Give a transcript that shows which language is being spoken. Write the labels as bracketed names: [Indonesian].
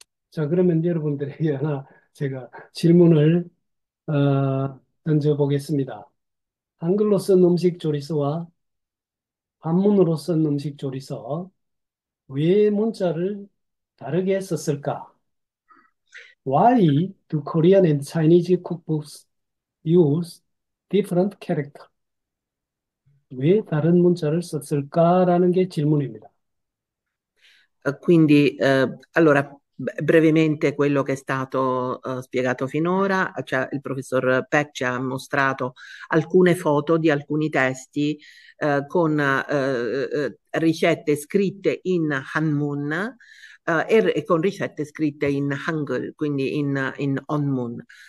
[Korean] 자, 그러면 여러분들에게 하나 제가 질문을 던져보겠습니다. 한글로 쓴 음식 조리서와 한문으로 쓴 음식 조리서, 왜 문자를 다르게 썼을까? [English] Why do Korean and Chinese cookbooks use different characters? [Korean] 왜 다른 문자를 썼을까라는 게 질문입니다. [Italian] Quindi, allora, brevemente quello che è stato spiegato finora, cioè il professor Peck ci ha mostrato alcune foto di alcuni testi con ricette scritte in Hanmun e con ricette scritte in Hangul, quindi in Onmun.